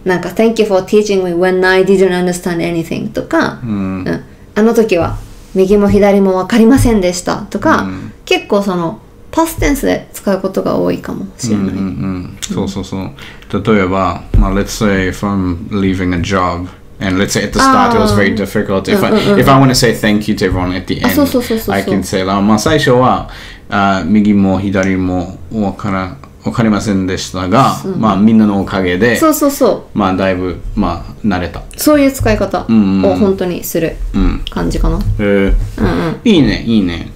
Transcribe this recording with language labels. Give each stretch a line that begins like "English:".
English: なんか、thank you for teaching me when I didn't understand anything とか、
Japanese: うんうん、あの時は、右も左もわかりませんでしたとか、うん、結構その、パステンスで使うことが多いかもしれない。うんうんうん、そうそうそう。例えば、まあ、
English: let's say if I'm leaving a job,And let's say at the start it was very difficult. If、
Japanese: うんうんうん、
English: if I want to say thank you to everyone at the end,
Japanese: そうそうそうそう
English: I can say that.
Japanese: まあ最初は、右も左もわかりませんでしたが、うん、まあみんなのおかげで、そうそうそう、まあだいぶまあ慣れた。そういう使い方を本当にする感じかな。いいね、いいね、